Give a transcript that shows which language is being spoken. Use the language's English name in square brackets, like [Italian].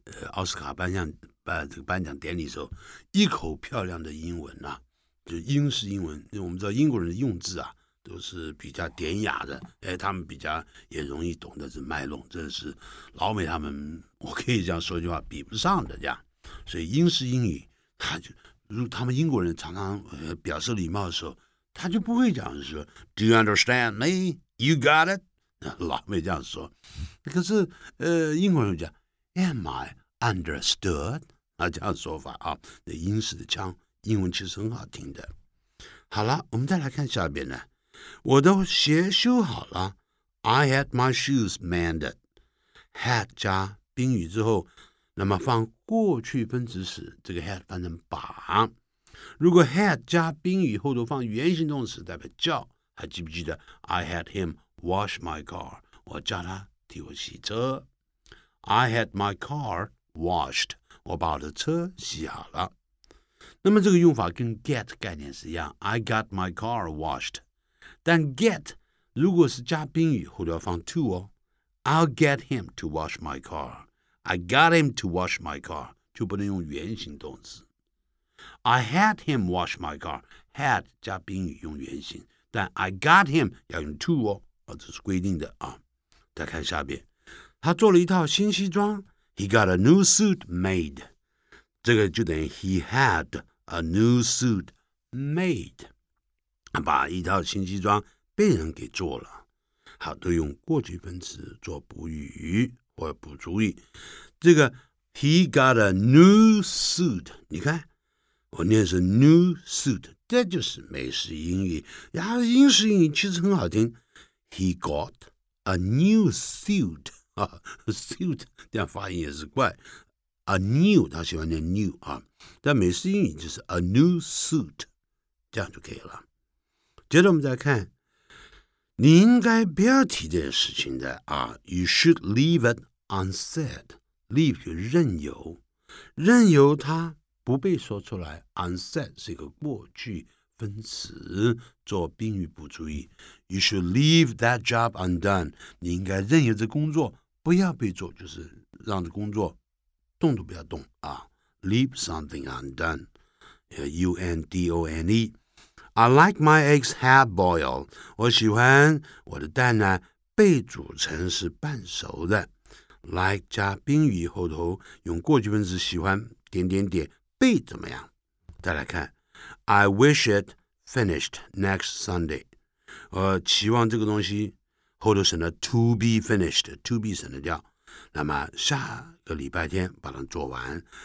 [Chinese] 奥斯卡颁奖典礼的时候，一口漂亮的英文啊，就英式英文，因为我们知道英国人的用字啊都是比较典雅的，哎，他们比较也容易懂得这脉络，这是老美他们我可以这样说句话比不上的这样，所以英式英语他们英国人常常表示礼貌的时候。 [English] 他就不会讲说 Do you understand me? You got it? [Chinese] 老美这样说，可是英国人讲 [English] Am I understood? [Chinese] 这样说法啊，那英式的腔英文其实很好听的。好了，我们再来看下边呢，我的鞋修好了 [English] I had my shoes mended. Had [Chinese] 加宾语之后那么放过去分词时，这个 had 翻成把。如果 had 加宾语后头放原形动词代表叫，还记不记得 [English] I had him wash my car， [Chinese] 我叫他替我洗车。 [English] I had my car washed， [Chinese] 我把我的车洗好了。那么这个用法跟 get 概念是一样， [English] I got my car washed， [Chinese] 但 get 如果是加宾语后头要放 to 哦。 [English] I'll get him to wash my car， I got him to wash my car， [Chinese] 就不能用原形动词。 [English] I had him wash my car， [Chinese] had 加宾语用原形，但 [English] I got him [Chinese] 要用 to 哦，这是规定的啊。再看下边，他做了一套新西装， [English] he got a new suit made， [Chinese] 这个就等于 [English] he had a new suit made， [Chinese] 把一套新西装被人给做了。好，都用过去分词做补语或补主语。这个 [English] he got a new suit， [Chinese] 你看我念是 new suit， 这就是美式英语呀。英式英语其实很好听， [English] he got a new suit、 [Chinese] 啊、suit 这样发音也是怪， a new 他喜欢念 new、啊、但美式英语就是 a new suit， 这样就可以了。接着我们再看，你应该不要提这件事情的啊。 [English] You should leave it unsaid， leave [Chinese] 就任由，任由它不被说出来。 unsaid 是一个过去分词，做宾语补足语。 [English] You should leave that job undone， [Chinese] 你应该任由这工作不要被做，就是让这工作动都不要动啊。 [English] leave something undone， UNDONEI like my eggs half boiled， [Chinese] 我喜欢我的蛋呢被煮成是半熟的。 like 加宾语后头用过去分词喜欢点点点被怎么样。再来看， [English] I wish it finished next Sunday， [Chinese] 我期望这个东西后头省了 to be finished， to be 省了掉，那么下个礼拜天把它做完。